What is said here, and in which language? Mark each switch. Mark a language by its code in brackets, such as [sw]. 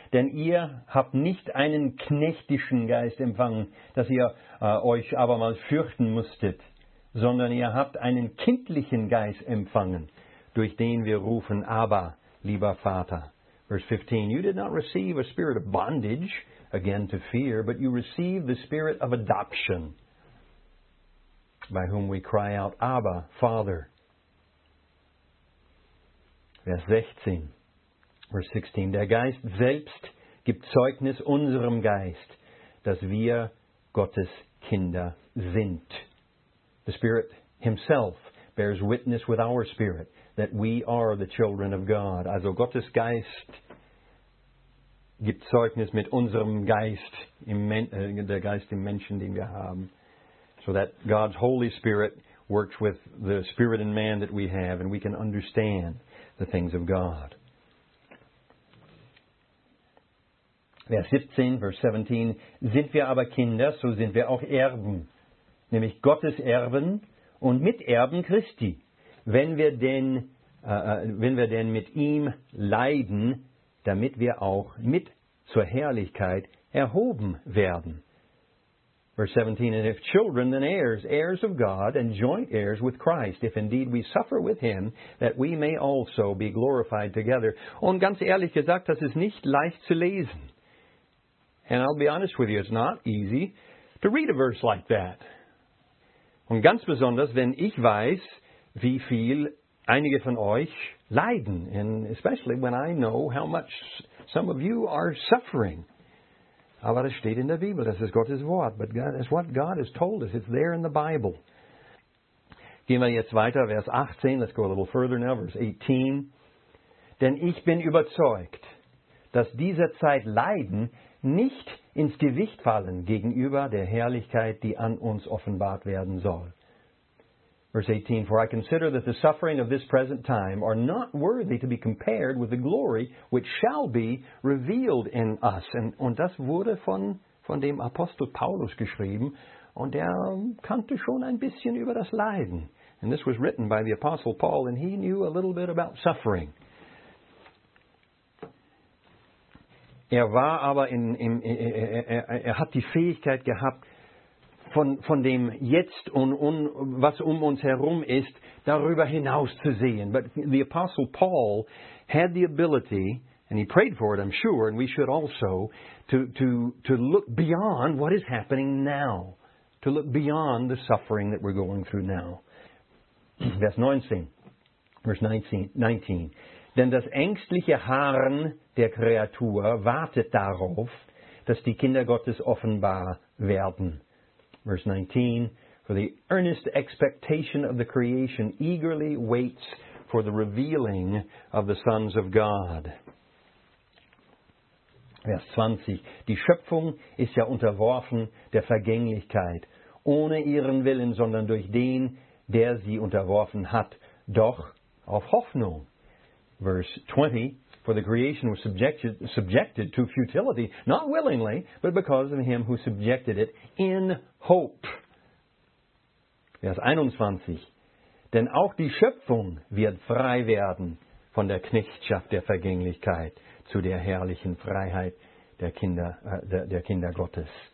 [de] Denn ihr habt nicht einen knechtischen Geist empfangen, dass ihr euch abermals fürchten müsstet, sondern ihr habt einen kindlichen Geist empfangen, durch den wir rufen, Abba, lieber Vater. Vers 15. [en] You did not receive a spirit of bondage, again to fear, but you receive the spirit of adoption, by whom we cry out, Abba, Father. [de] Vers 16. Der Geist selbst gibt Zeugnis unserem Geist, dass wir Gottes Kinder sind. [en] The Spirit himself bears witness with our spirit that we are the children of God. [de] Also Gottes Geist gibt Zeugnis mit unserem Geist, der Geist im Menschen, den wir haben. [en] So that God's Holy Spirit works with the spirit in man that we have, and we can understand the things of God. [de] Vers 17. Sind wir aber Kinder, so sind wir auch Erben, nämlich Gottes Erben und Miterben Christi, wenn wir denn mit ihm leiden, damit wir auch mit zur Herrlichkeit erhoben werden. [en] Verse 17, and if children, then heirs of God, and joint heirs with Christ, if indeed we suffer with him, that we may also be glorified together. [de] Und ganz ehrlich gesagt, das ist nicht leicht zu lesen. [en] And I'll be honest with you, it's not easy to read a verse like that. [de] Und ganz besonders, wenn ich weiß, wie viel einige von euch leiden, [en] and especially when I know how much some of you are suffering. [de] Aber das steht in der Bibel, das ist Gottes Wort. [en] But God, that's what God has told us. It's there in the Bible. [de] Gehen wir jetzt weiter, Vers 18. [en] Let's go a little further now, Vers 18. [de] Denn ich bin überzeugt, dass dieser Zeit Leiden nicht ins Gewicht fallen gegenüber der Herrlichkeit, die an uns offenbart werden soll. [en] Verse 18, for I consider that the suffering of this present time are not worthy to be compared with the glory which shall be revealed in us. [de] Und das wurde von dem Apostel Paulus geschrieben, und er kannte schon ein bisschen über das Leiden. [en] And this was written by the Apostle Paul, and he knew a little bit about suffering. [de] Er war aber er hat die Fähigkeit gehabt, von dem Jetzt und was um uns herum ist, darüber hinaus zu sehen. [en] But the Apostle Paul had the ability, and he prayed for it, I'm sure, and we should also, to look beyond what is happening now. To look beyond the suffering that we're going through now. [de] Vers 19. Denn das ängstliche Harren der Kreatur wartet darauf, dass die Kinder Gottes offenbar werden. [en] Verse 19, for the earnest expectation of the creation eagerly waits for the revealing of the sons of God. [de] Vers 20, die Schöpfung ist ja unterworfen der Vergänglichkeit, ohne ihren Willen, sondern durch den, der sie unterworfen hat, doch auf Hoffnung. [en] Verse 20, for the creation was subjected to futility, not willingly, but because of him who subjected it in hope. [de] Vers 21, denn auch die Schöpfung wird frei werden von der Knechtschaft der Vergänglichkeit zu der herrlichen Freiheit der Kinder Gottes.